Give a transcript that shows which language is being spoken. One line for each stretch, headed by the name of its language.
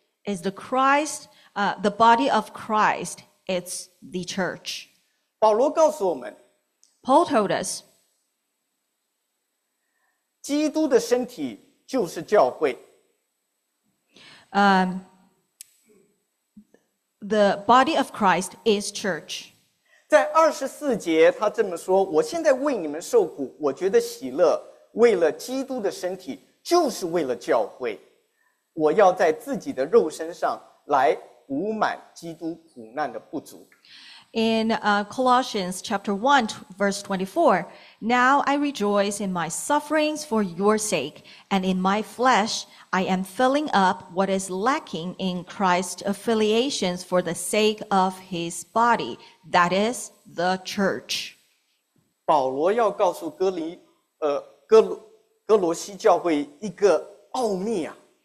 English: Is the Christ, the body of Christ, it's the church.
Chinese: 保罗告诉我们，
English: Paul told us,
Chinese: 基督的身体就是教会。
English: The body of Christ is church.
Chinese: 在二十四节他这么说，我现在为你们受苦，我觉得喜乐，为了基督的身体，就是为了教会。我要在自己的肉身上来补满基督苦难的不足。
English: In Colossians chapter 1, verse 24, Now I rejoice in my sufferings for your sake, and in my flesh I am filling up what is lacking in Christ's affiliations for the sake of his body, that is, the church.
Chinese: 保罗要告诉哥罗西教会一个奥秘啊。